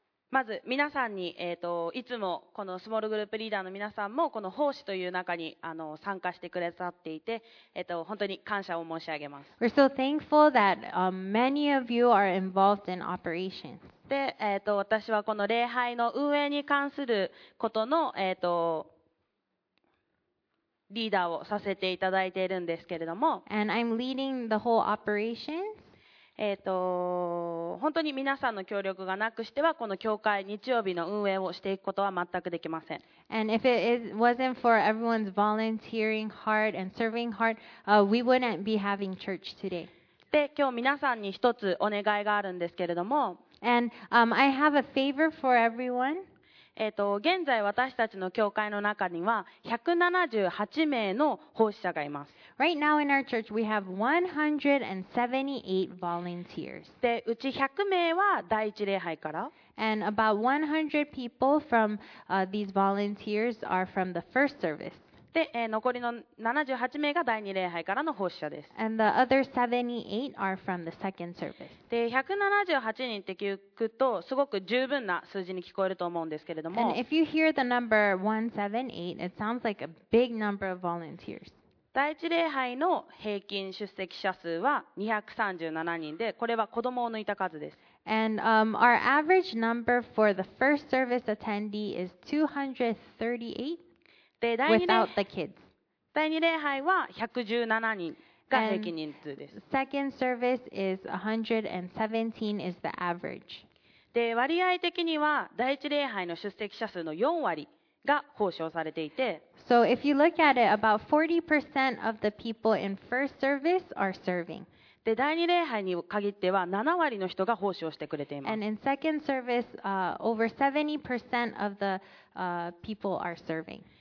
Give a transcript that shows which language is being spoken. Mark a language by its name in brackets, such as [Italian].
[Japanese] まず皆さんに、いつもこのスモールグループリーダーの皆さんもこの奉仕という中に参加してくれさっていて、本当に感謝を申し上げます。 [English] We're so thankful that many of you are involved in operations. [Japanese] で、私はこの礼拝の運営に関することのリーダーをさせていただいているんですけれども、 [English] And I'm leading the whole operations. [Japanese] 本当に皆さんの協力がなくしてはこの教会日曜日の運営をしていくことは全くできません。 [English] And if it wasn't for everyone's volunteering heart and serving heart, we wouldn't be having church today. [Japanese] で、今日皆さんに一つお願いがあるんですけれども、 [English] And I have a favor for everyone. [Japanese] 現在私たちの教会の中には178名の奉仕者がいます。 [English] Right now in our church we have 178 volunteers. [Japanese] で、うち100名は第一礼拝から。 [English] And about 100 people from these volunteers are from the first service. [Japanese] で、残りの78名が第二礼拝からの奉仕者です。 [English] And the other 78 are from the second service. [Japanese] で、178人って聞くとすごく十分な数字に聞こえると思うんですけれども。 [English] And if you hear the number 178, it sounds like a big number of volunteers. [Japanese] 第一礼拝の平均出席者数は237人で、これは子供を抜いた数です。 [English] And our average number for the first service attendee is 238. で、 Without the kids. [Japanese] 第二礼拝は117人が平均人数です。 [English] And second service is 117 is the average. [Japanese] で、割合的には第一礼拝の出席者数の4割が奉仕されていて。 [English] So if you look at it, about 40% of the people in first service are serving. [Japanese] で、第二礼拝に限っては7割の人が奉仕をしてくれています。 [English] And in second service, over 70% of the people are serving.